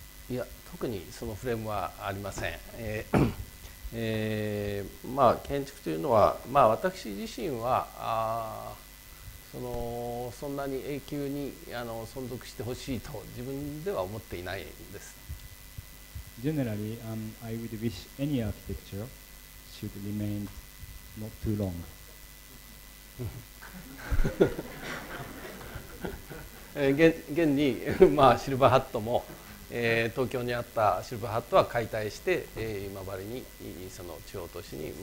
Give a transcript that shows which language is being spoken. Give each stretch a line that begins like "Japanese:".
Japanese: いや、特にそのフレームはありません。まあ、建築というのは、まあ、私自身はそんなに永久に存続してほしいと自分では思っていないんです。
English: Generally, I would wish any architecture should remain not too long.
Japanese: 現に、まあ、シルバーハットも東京にあったシルバーハットは解体して、今治にその地方都市に